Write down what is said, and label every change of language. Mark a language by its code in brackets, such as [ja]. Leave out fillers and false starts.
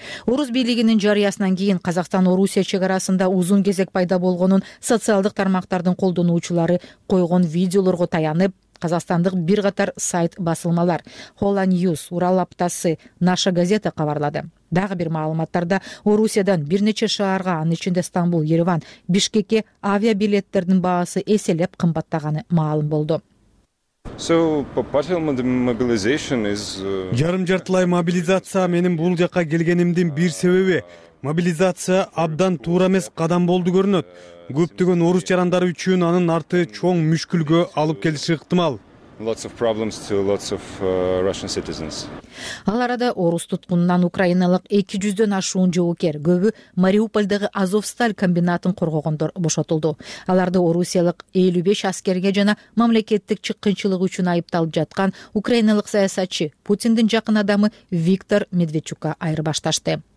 [ky] Орус бийлигинин жарыясынан кийин Казакстан Орусия чек арасында узун кезек пайда болгонун социалдык тармактардын колдонуучулары койгон видеолорго таянып, казакстандык бир катар сайт басылмалар Hola News, Урал аптасы, Наша газета кабарлады. Дагы бир маалыматтарда Орусиядан бир нече шаарга, анын ичинде Стамбул, Ереван, Бишкекке авиа билеттердин баасы эселеп кымбаттаганы маалым болду. [en] So, partial mobilization is [ky] жарым-жартылай мобилизация менин бул жакка келгенимдин бир себеби. Мобилизация абдан туура эмес кадам болду көрүнөт. Көптөгөн орус жарандары үчүн анын арты чоң мүшкүлгө алып келиши ыктымал. [en] Lots of problems to lots of Russian citizens. [ky] Ал арада орус туткунунан украиналык 200-дөн ашуун жоокер, көбү Мариупольдагы Азовсталь комбинатын коргогондор бошотулду. Аларды орусиялык 55 аскерге жана мамлекеттик чыккынчылык үчүн айыпталып жаткан украиналык саясатчы, Путиндин жакын адамы Виктор Медведчукка айырбашташты.